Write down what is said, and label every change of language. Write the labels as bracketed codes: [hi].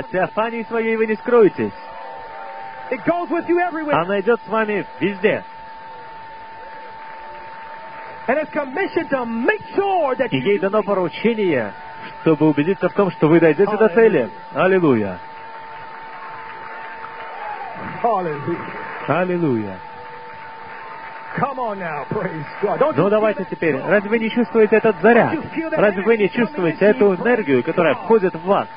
[ru] От теофании своей вы не скроетесь. [en] It goes with you everywhere. [ru] Она идет с вами везде. [en] And it's commissioned to make sure that you. [ru] И ей дано поручение, чтобы убедиться в том, что вы дойдете Hallelujah. До цели. Аллилуйя. Аллилуйя. Аллилуйя. [en] Come on now, praise God. [ru] Ну давайте теперь, разве вы не чувствуете этот заряд? Разве вы не чувствуете эту энергию, которая входит в вас?